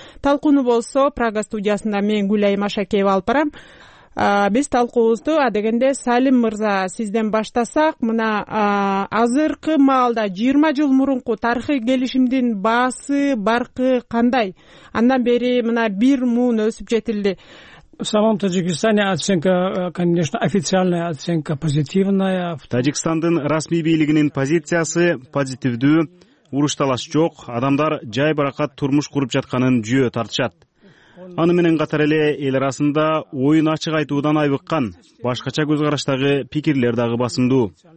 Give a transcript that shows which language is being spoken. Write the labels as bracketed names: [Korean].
[Kyrgyz] Талкууну болсо Прага студиясында мен Гүлайым Ашакеева алып барам. Биз талкуубузду адегенде Салим мырза сизден баштасак, мына азыркы маалда 20 жыл мурунку тарыхый келишимдин баасы баркы кандай? Андан бери мына бир муун өсүп жетилди. [Russian] В самом Таджикистане оценка, конечно, официальная оценка позитивная. [Kyrgyz] В Таджикстандын расмий бийлигинин позициясы позитивдүү, уруш талаш жок, адамдар жай баракат турмуш куруп жатканын жүйө тартышат. Аны менен катар эле эл арасында оюн ачык айтуудан айбыккан башкача көз караштагы пикирлер дагы басымдуу.